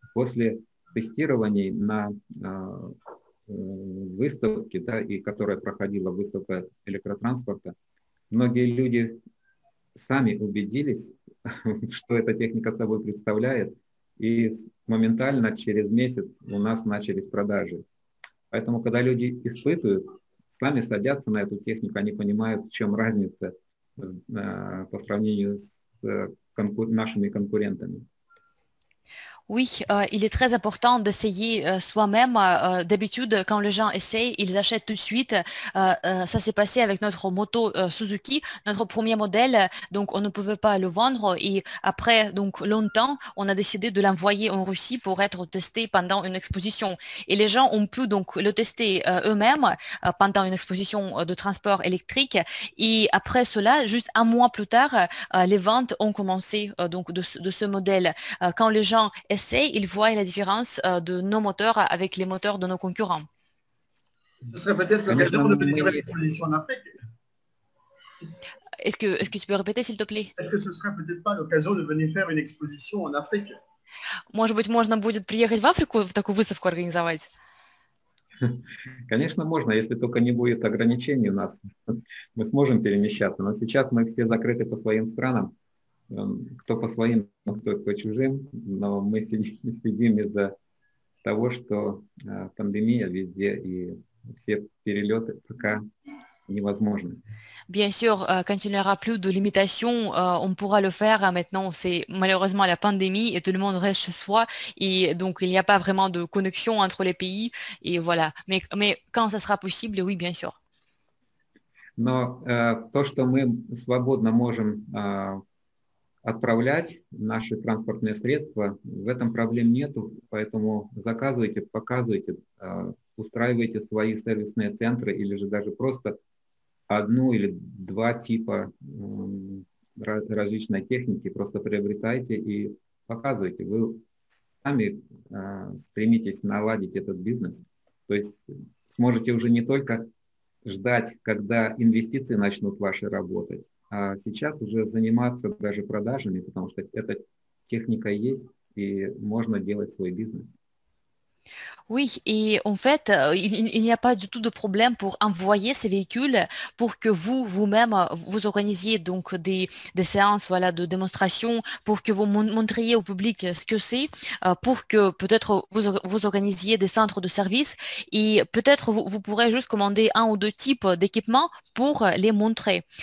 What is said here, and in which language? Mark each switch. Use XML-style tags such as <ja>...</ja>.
<ru>После тестирований на выставки, да, и которая проходила выставка электротранспорта, многие люди сами убедились, что эта техника собой представляет, и моментально через месяц у нас начались продажи. Поэтому, когда люди испытывают, сами садятся на эту технику, они понимают, в чем разница по сравнению с нашими конкурентами.</ru> <fr>Oui, il est très important d'essayer soi-même. D'habitude, quand les gens essayent, ils achètent tout de suite. Ça s'est passé avec notre moto Suzuki, notre premier modèle. Donc, on ne pouvait pas le vendre. Et après, donc, longtemps, on a décidé de l'envoyer en Russie pour être testé pendant une exposition. Et les gens ont pu donc le tester eux-mêmes pendant une exposition de transport électrique. Et après cela, juste un mois plus tard, les ventes ont commencé donc de ce modèle. Quand les gens essayent, ils voient la différence de nos moteurs avec les moteurs de nos concurrents. Ce serait peut-être l'occasion de venir à l'exposition en Afrique. Est-ce que tu peux répéter, s'il te plaît? Est-ce que ce serait peut-être pas l'occasion de venir faire une exposition en Afrique?</fr> <ru>Может быть, можно будет приехать в Африку в такую выставку организовать? Конечно, можно, если только не будет ограничений у нас. Мы сможем перемещаться, но сейчас мы все закрыты по своим странам. Кто по своим, кто по чужим, но мы сидим из-за того, что пандемия везде, и все перелеты пока невозможны.</ru> <fr>Bien sûr, quand il n'y aura plus de limitation, on pourra le faire. Maintenant, c'est malheureusement la pandémie et tout le monde reste chez soi. Et donc, il n'y a pas vraiment de connexion entre les pays. Et voilà. Mais quand ça sera possible, oui, bien sûr.</fr> <ru>Но то, что мы свободно можем отправлять наши транспортные средства, в этом проблем нету, поэтому заказывайте, показывайте, устраивайте свои сервисные центры или же даже просто одну или два типа различной техники, просто приобретайте и показывайте. Вы сами стремитесь наладить этот бизнес, то есть сможете уже не только ждать, когда инвестиции начнут ваши работать, а сейчас уже заниматься даже продажами, потому что эта техника есть, и можно делать свой бизнес.</ru> <fr>Oui, et en fait, il n'y a pas du tout de problème pour envoyer ces véhicules pour que vous-même, vous organisiez donc des séances, voilà, de démonstration, pour que vous montriez au public ce que c'est, pour que peut-être vous organisiez des centres de service, et peut-être vous pourrez juste commander un ou deux types d'équipements pour les montrer.</fr>